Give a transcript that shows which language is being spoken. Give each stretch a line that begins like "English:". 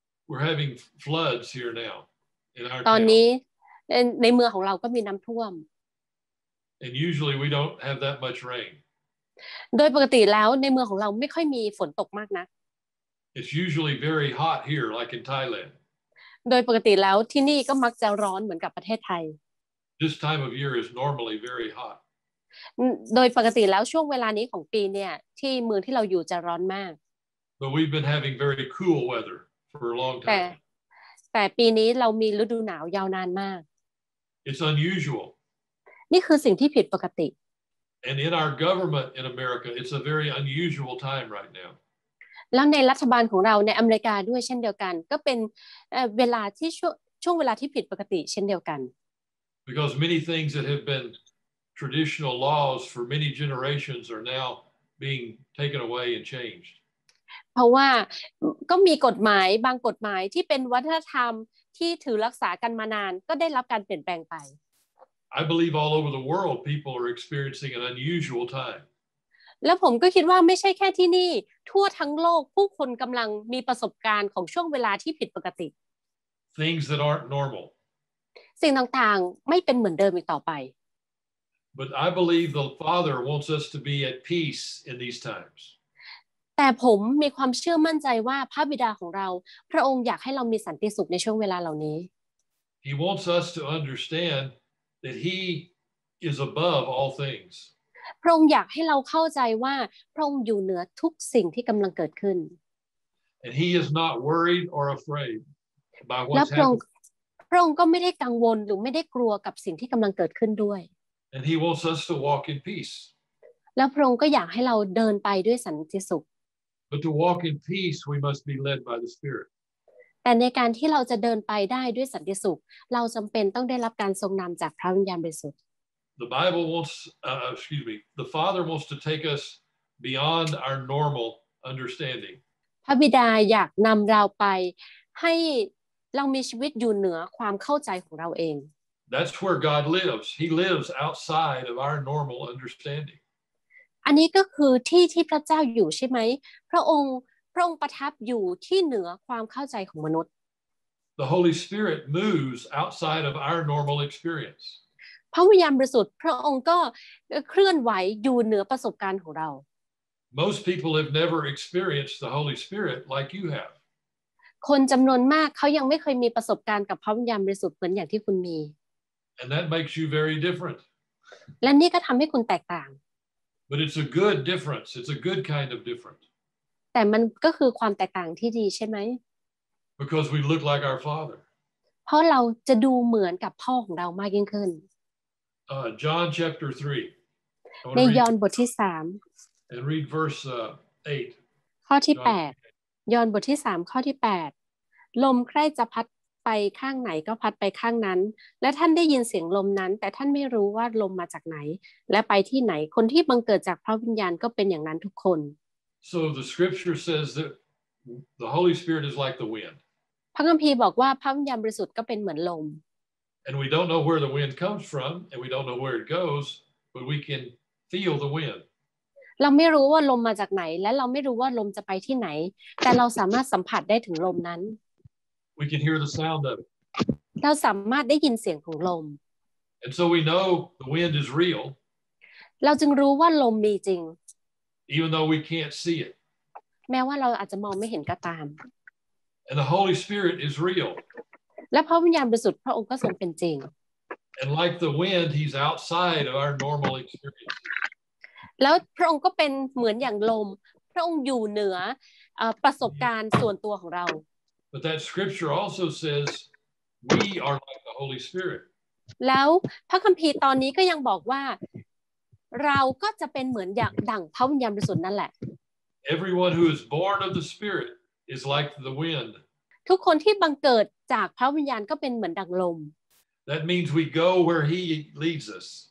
English: We're having floods here now in our
Thai: ตอนนี้ในเมืองของเราก็มีน้ําท่วม
English: And usually we don't have that much rain
Thai: โดยปกติแล้วในเมืองของเราไม่ค่อยมีฝนตกมากนัก
English: It's usually very hot here like in Thailand
Thai: โดยปกติแล้วที่นี่ก็มักจะร้อนเหมือนกับประเทศไทย
English: This time of year is normally very hot
Thai: โดยปกติแล้วช่วงเวลานี้ของปีเนี่ยที่เมืองที่เราอยู่จะร้อนมาก
English: But we've been having very cool weather for a long time
Thai: แต่ปีนี้เรามีฤดูหนาวยาวนานมาก
English: It's unusual
Thai: นี่คือสิ่งที่ผิดปกติ
English: And in our government in America it's a very unusual time right now
Thai: แล้วในรัฐบาลของเราในอเมริกาด้วยเช่นเดียวกันก็เป็นเวลาที่ช่วงเวลาที่ผิดปกติเช่นเดียวกัน
English: Because many things that have been traditional laws for many generations are now being taken away and changed
Thai: เพราะว่าก็มีกฎหมายบางกฎหมายที่เป็นวัฒนธรรมที่ถือรักษากันมานานก็ได้รับการเปลี่ยนแปลงไป
English: I believe all over the world people are experiencing an unusual time
Thai: แล้วผมก็คิดว่าไม่ใช่แค่ที่นี่ทั่วทั้งโลกผู้คนกำลังมีประสบการณ์ของช่วงเวลาที่ผิดปกติ
English: Things that aren't normal
Thai: สิ่งต่างๆไม่เป็นเหมือนเดิมอีกต่อไป
English: But I believe the Father wants us to be at peace in these times
Thai: แต่ผมมีความเชื่อมั่นใจว่าพระบิดาของเราพระองค์อยากให้เรามีสันติสุขในช่วงเวลาเหล่านี้
English: He wants us to understand that He is above all things
Thai: พระองค์อยากให้เราเข้าใจว่าพระองค์อยู่เหนือทุกสิ่งที่กำลังเกิดขึ้น
English: And he is not worried or afraid by what's happening.
Thai: พระองค์ก็ไม่ได้กังวลหรือไม่ได้กลัวกับสิ่งที่กำลังเกิดขึ้นด้วย
English: And he wants us to walk in peace.
Thai: แล้วพระองค์ก็อยากให้เราเดินไปด้วยสันติสุข
English: But to walk in peace, we must be led by the Spirit.
Thai: แต่ในการที่เราจะเดินไปได้ด้วยสันติสุขเราจำเป็นต้องได้รับการทรงนำจากพระวิญญาณบริสุทธิ์
English: The Bible wants, the Father wants to take us beyond our normal understanding.
Thai: พระบิดาอยากนำเราไปให้เรามีชีวิตอยู่เหนือความเข้าใจของเราเอง
English: That's where God lives. He lives outside of our normal understanding.
Thai: อันนี้ก็คือที่ที่พระเจ้าอยู่ใช่ไหมพระองค์ประทับอยู่ที่เหนือความเข้าใจของมนุษย์
English: The Holy Spirit moves outside of our normal experience.
Thai: พระวิญญาณบริสุทธิ์พระองค์ก็เคลื่อนไหวอยู่เหนือประสบการณ์ของเรา
English: Most people have never experienced the Holy Spirit like you have
Thai: คนจำนวนมากเขายังไม่เคยมีประสบการณ์กับพระวิญญาณบริสุทธิ์เหมือนอย่างที่คุณมี
English: And that makes you very different.
Thai: และนี่ก็ทำให้คุณแตกต่าง
English: But it's a good difference. It's a good kind of different.
Thai: แต่มันก็คือความแตกต่างที่ดีใช่ไหม
English: Because we look like our father.
Thai: เพราะเราจะดูเหมือนกับพ่อของเรามากยิ่งขึ้น
English: John chapter 3.
Thai: ในยอห์นบทที่3
English: And read verse 8.
Thai: ข้อที่8ยอห์นบทที่3ข้อที่8ลมใครจะพัดไปข้างไหนก็พัดไปข้างนั้นและท่านได้ยินเสียงลมนั้นแต่ท่านไม่รู้ว่าลมมาจากไหนและไปที่ไหนคนที่บังเกิดจากพระวิญญาณก็เป็นอย่างนั้นทุกคน
English: So the scripture says that the Holy Spirit is like the wind
Thai: พระคัมภีร์บอกว่าพระวิญญาณบริสุทธิ์ก็เป็นเหมือนลม
English: And we don't know where the wind comes from and we don't know where it goes but we can feel the wind
Thai: เราไม่รู้ว่าลมมาจากไหนและเราไม่รู้ว่าลมจะไปที่ไหนแต่เราสามารถสัมผัสได้ถึงลมนั้น
English: We can hear the sound of it.
Thai: เราสามารถได้ยินเสียงของลม
English: And so we know the wind is real.
Thai: เราจึงรู้ว่าลมมีจริง
English: Even though we can't see it.
Thai: แม้ว่าเราอาจจะมองไม่เห็นก็ตาม
English: And the Holy Spirit is real.
Thai: และพระวิญญาณบริสุทธิ์พระองค์ก็ทรงเป็นจริง
English: And like the wind, he's outside of our normal experience.
Thai: แล้วพระองค์ก็เป็นเหมือนอย่างลมพระองค์อยู่เหนือประสบการณ์ส่วนตัวของเรา
English: But that scripture also says we are like the Holy Spirit
Thai: แล้วพระคัมภีร์ตอนนี้ก็ยังบอกว่าเราก็จะเป็นเหมือนอย่างดั่งพระวิญญาณบริสุทธิ์นั่นแหละ
English: Everyone who is born of the Spirit is like the wind
Thai: ทุกคนที่บังเกิดจากพระวิญญาณก็เป็นเหมือนดั่งลม
English: That means we go where he leads us